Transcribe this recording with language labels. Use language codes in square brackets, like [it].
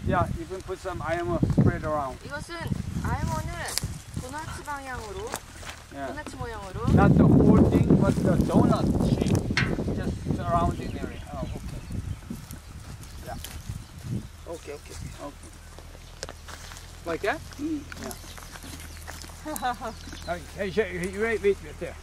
[en] Yeah, you can put some IMO spread around. [ko] 이것은 IMO는 도넛 방향으로, 도넛 모양으로. [en] Not the whole thing, but the donut shape. Just surrounding area. Oh, okay. Yeah. Okay, okay. Okay. Like that? Mm. Yeah. Okay, wait, there.